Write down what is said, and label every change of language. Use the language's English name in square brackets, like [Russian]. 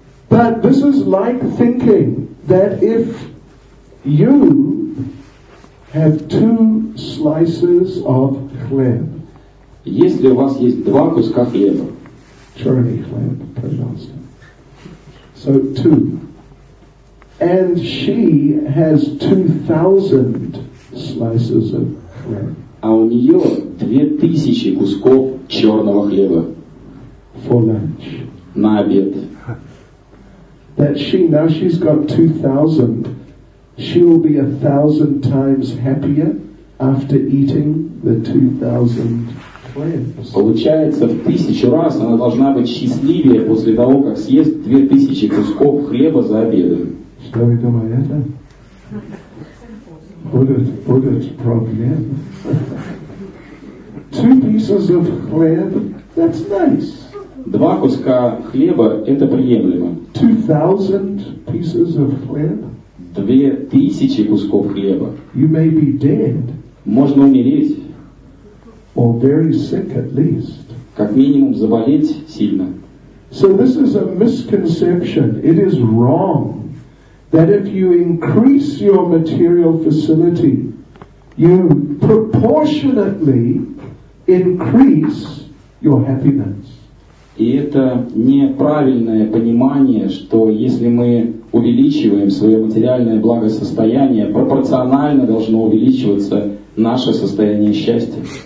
[English] But this is like thinking that if you have 2 slices of chleb. [Russian] Если у вас есть 2 куска хлеба. Черный хлеб, пожалуйста. [English] So 2. And she has 2,000 slices of chleb. [Russian] А у нее 2000 кусков черного хлеба. [English] For lunch. [Russian] На обед. [English] That she, now she's got 2,000, she will be 1,000 times happier after eating the 2,000. [Russian] Получается, в 1000 раз она должна быть счастливее после того, как съест 2000 кусков хлеба за обедом. Что вы думаете? Будет проблем? [English] 2 pieces of chleb, that's nice. [Russian] 2 куска хлеба, это приемлемо. [English] 2,000 pieces of chleb? [Russian] 2000 кусков хлеба. [English] You may be dead. [Russian] Можно умереть. [English] Or very sick at least. [Russian] Как минимум заболеть сильно. [English] So this is a misconception. It is wrong that if you increase your material facility, you proportionately increase your happiness. [Russian] И это неправильное понимание, что если мы увеличиваем свое материальное благосостояние, пропорционально должно увеличиваться наше состояние счастья.